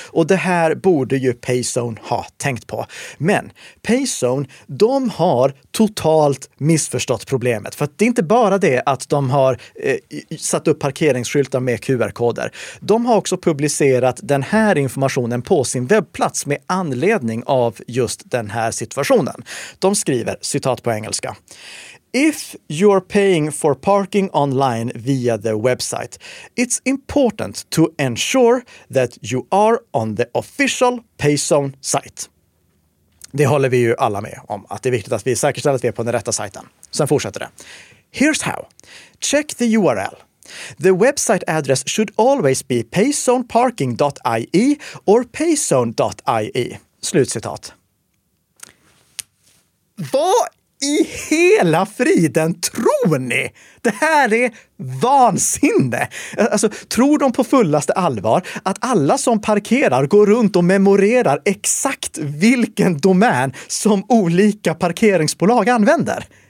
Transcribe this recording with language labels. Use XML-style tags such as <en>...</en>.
<sv>Och det här borde ju Payzone ha tänkt på. Men Payzone, de har totalt missförstått problemet. För att det är inte bara det att de har satt upp parkeringsskyltar med QR-koder. De har också publicerat den här informationen på sin webbplats med anledning av just den här situationen. De skriver, citat på engelska:</sv> <en>"If you're paying for parking online via the website, it's important to ensure that you are on the official Payzone site."</en> <sv>Det håller vi ju alla med om, att det är viktigt att vi säkerställer att vi är på den rätta sajten. Sen fortsätter det.</sv> <en>"Here's how. Check the URL. The website address should always be payzoneparking.ie or payzone.ie."</en> <sv>Slutcitat. Vad i hela friden tror ni? Det här är vansinne. Alltså, tror de på fullaste allvar att alla som parkerar går runt och memorerar exakt vilken domän som olika parkeringsbolag använder?</sv>